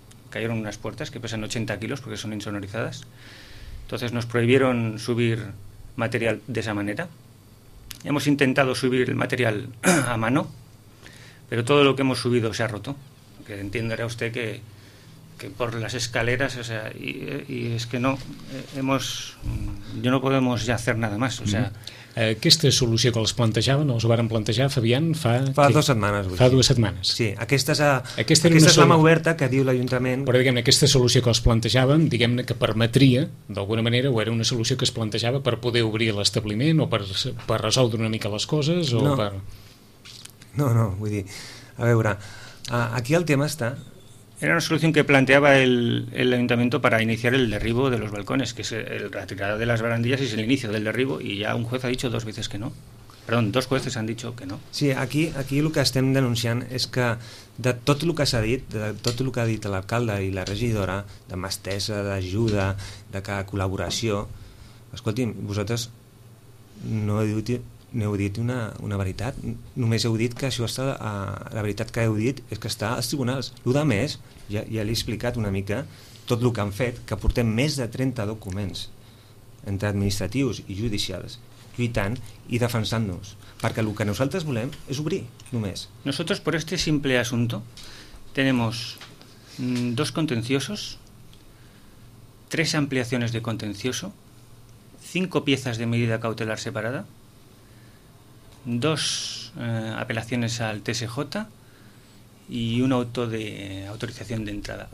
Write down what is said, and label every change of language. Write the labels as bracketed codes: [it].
[es] Cayeron unas puertas que pesan 80 kilos porque son insonorizadas. Entonces nos prohibieron subir material de esa manera. Hemos intentado subir el material a mano, pero todo lo que hemos subido se ha roto. Que entenderá usted que por las escaleras, o sea, y es que no, hemos... Yo no podemos ya hacer nada más, o sea... [ca] Aquesta solució que els plantejaven, els varen plantejar, Fabián, fa dues setmanes. Sí, aquesta és la mà oberta que diu l'Ajuntament. Però diguem-ne, aquesta solució que els plantejaven, diguem-ne que permetria, d'alguna manera, o era una solució que es plantejava per poder obrir l'establiment o per resoldre una mica les coses? No, vull dir, a veure, aquí el tema està... [es] Era una solución que planteaba el ayuntamiento para iniciar el derribo de los balcones, que es el retirada de las barandillas y es el inicio del derribo, y ya un juez ha dicho dos veces que no. Perdón, dos jueces han dicho que no. [ca] Sí, aquí [es] lo que [ca] estem denunciant és que de tot el que s'ha dit, de tot el que ha dit l'alcalde i la regidora, de mà estesa, d'ajuda, de cada col·laboració, escolti'm, vosaltres no heu dit... N'heu dit una veritat? Només heu dit que això està... La veritat que heu dit és que està als tribunals. El de més, ja l'he explicat una mica, tot el que han fet, que portem més de 30 documents entre administratius i judicials, lluitant i defensant-nos. Perquè el que nosaltres volem és obrir, només. [es] Nosotros, por este simple asunto, tenemos dos contenciosos, tres ampliaciones de contencioso, cinco piezas de medida cautelar separada, dos apelaciones al TSJ y un auto de autorización de entrada.